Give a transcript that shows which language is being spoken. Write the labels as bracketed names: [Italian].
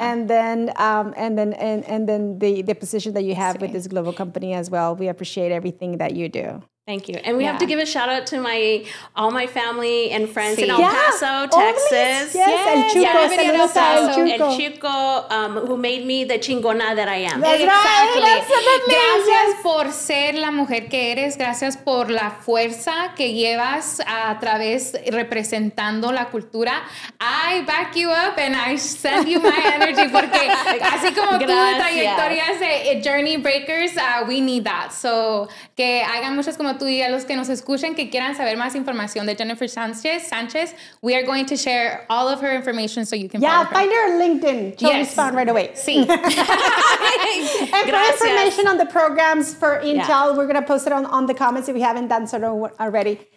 [English] And then the position that you have with this global company as well. We appreciate everything that you do. Thank you. And we have to give a shout out to all my family and friends in El Paso, Texas. El Chico, Who made me the chingona that I am. [Spanish] Exactly. Gracias por ser la mujer que eres. Gracias por la fuerza que llevas a través representando la cultura. [English] I back you up and I send you my energy [Spanish] porque así como tú, trayectorias de [English] journey breakers, we need that. [Spanish] So que hagan muchas como tú y a los que nos escuchen que quieran saber más información de Jennifer Sanchez, [English] we are going to share all of her information so you can follow her. Yeah, find her on LinkedIn. She'll respond right away. [Spanish] Sí. [English] And for information on the programs for Intel, we're going to post it on the comments if we haven't done so already.